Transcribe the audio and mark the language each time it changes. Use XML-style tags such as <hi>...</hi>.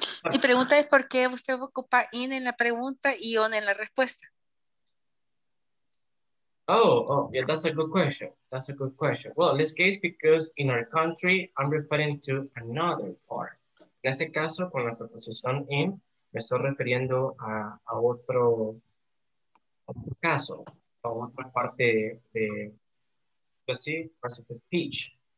<es>Mi pregunta es por qué usted ocupa in en la pregunta y on en la respuesta.</es> <en>Oh, yeah, that's a good question. That's a good question. Well, in this case, because in our country, I'm referring to another part.</en> <es>En este caso, con la preposición in, me estoy refiriendo a otro caso, a otra parte de speech.</es>